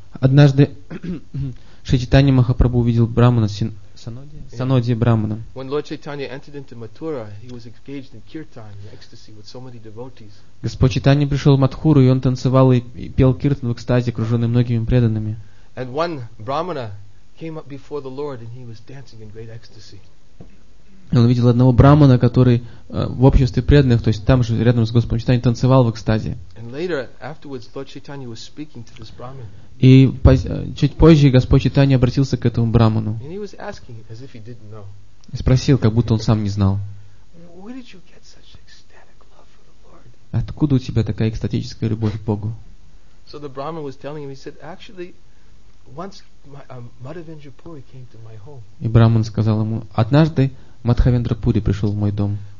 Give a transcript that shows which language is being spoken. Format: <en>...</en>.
<ru>Однажды Шри Чайтанья Махапрабху увидел Брахмана Санодия Брахмана.</ru> <en>When Lord Chaitanya entered into Mathura, he was engaged in kirtan, in ecstasy with so many devotees.</en> <ru>Господь Чайтанья пришел в Матхуру, и он танцевал и пел киртан в экстазе, окруженный многими преданными.</ru> <en>And one Brahmana came up before the Lord, and he was dancing in great ecstasy.</en> <ru>Он увидел одного Брахмана, который в обществе преданных, то есть там же рядом с Господом Чайтанья, танцевал в экстазе.</ru> <en>And later, afterwards, Lord Chaitanya was speaking to this Brahmin.</en> <ru>И чуть позже Господь Чайтанья обратился к этому Брахману.</ru> <en>And he was asking, as if he didn't know.</en> <ru>И спросил, как будто он сам не знал.</ru> <en>Where did you get such ecstatic love for the Lord?</en> <ru>Откуда у тебя такая экстатическая любовь к Богу?</ru> <en>So the Brahmin was telling him, he said, actually, once my, Madhavendra Puri came to my home.</en> <ru>И Брахман сказал ему, однажды Мадхавендра Пури пришел в мой дом.</ru>